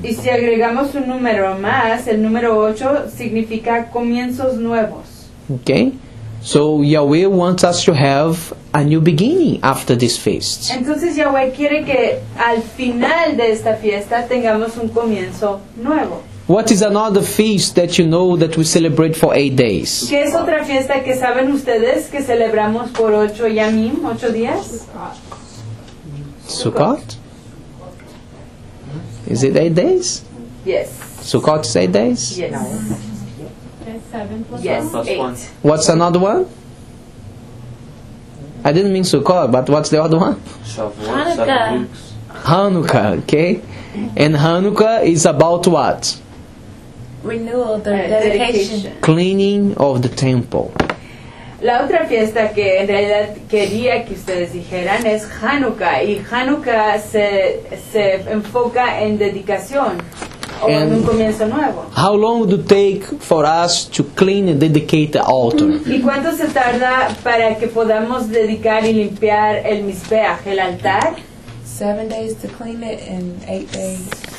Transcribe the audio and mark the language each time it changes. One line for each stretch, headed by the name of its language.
Spanish: Y si agregamos un número más, el número 8 significa comienzos nuevos.
English: Okay. So Yahweh wants us to have a new beginning after this feast.
Spanish: Entonces Yahweh quiere que al final de esta fiesta tengamos un comienzo nuevo.
English: What is another feast that you know that we celebrate for 8 days?
Spanish: ¿Qué es otra fiesta que saben ustedes que celebramos por 8 yamim, 8 días?
English: Sukkot. Is it 8 days? Yes. Sukkot is 8 days? Yes. 7 plus 1. What's another one? I didn't mean Sukkot, but what's the other one? Hanukkah. Hanukkah, okay. And Hanukkah is about what? Renewal, the dedication. Cleaning of the temple.
Spanish: La otra fiesta que en realidad quería que ustedes dijeran es Hanukkah. Y Hanukkah se enfoca en dedicación.
English: And how long do it take for us to clean and dedicate the altar?
Spanish: ¿Y cuánto se tarda para que podamos dedicar y limpiar el misbeach, el altar?
English: 7 days to clean it and 8 days.